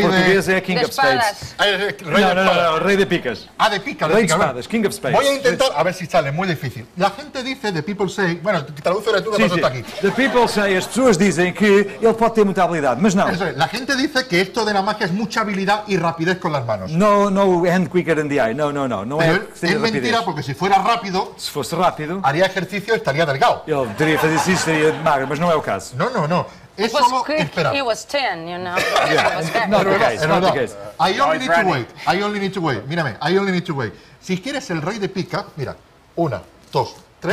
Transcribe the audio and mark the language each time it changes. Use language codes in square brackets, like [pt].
[es] en portugués es [en] King of Spades. [es] Rey de picas. Ah, de picas. Rey de espadas, [en] King of Spades. [es] Voy a intentar, a ver si sale, muy difícil. La gente dice, [en] the people say... [es] bueno, traduce la tuya, sí, pero está aquí. [en] The people say, [es] as tuas dicen que él puede tener mucha habilidad, pero no. Es, la gente dice que esto de la magia es mucha habilidad y rapidez con las manos. No, no, [en] hand quicker than the eye, [es] no, no, no. No es mentira, porque si fuera rápido... si fuese rápido... haría ejercicio, estaría delgado. Yo diría que sí, sería magro, pero no es el caso. No, no, no. [en] It was quick. He was 10, you know. Yeah. Not the case. I only need to wait. I only need to wait. [es] Mírame. [en] I only need to wait. [es] Si quieres el rey de pica, mira. Una, dos, tres.